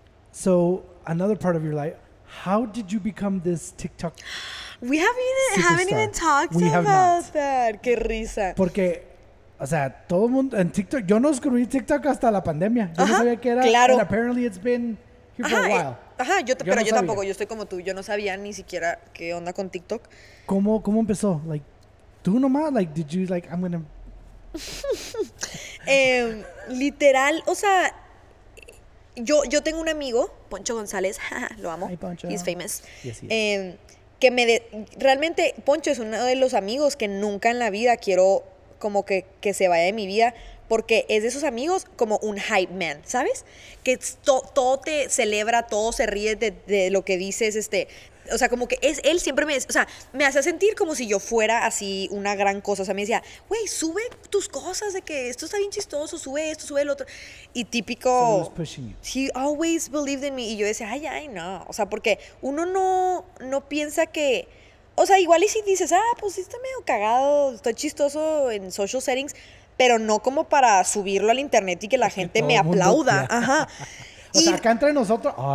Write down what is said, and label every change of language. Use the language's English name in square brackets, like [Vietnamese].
[English] So another part of your life, how did you become this TikTok? We haven't even talked about that. [Spanish] Qué risa. Porque, o sea, todo el mundo en TikTok. Yo no descubrí TikTok hasta la pandemia. Yo no sabía qué era. Claro. [English] And apparently it's been here for a while. [Spanish] Yo tampoco. Yo estoy como tú. Yo no sabía ni siquiera qué onda con TikTok. ¿Cómo empezó? Like, tú nomás. [English] Like, did you like I'm gonna [Spanish] literal, o sea, yo tengo un amigo, Poncho González, lo amo. [English] Hi, Poncho. He's famous. Yes, he is. [Spanish] Que me realmente Poncho es uno de los amigos que nunca en la vida quiero como que se vaya de mi vida, porque es de esos amigos como un hype man, ¿sabes? Que todo te celebra, todo se ríe de lo que dices, o sea, como que es él siempre me decía, o sea, me hace sentir como si yo fuera así una gran cosa. O sea, me decía, güey, sube tus cosas de que esto está bien chistoso, sube esto, sube el otro. Y típico, [English] he always believed in me. [Spanish] Y yo decía, ay, no. O sea, porque uno no piensa que, o sea, igual y si dices, pues sí está medio cagado, estoy chistoso en [English] social settings, [Spanish] pero no como para subirlo al internet y que la gente me aplauda. Ajá. O sea, acá entre nosotros.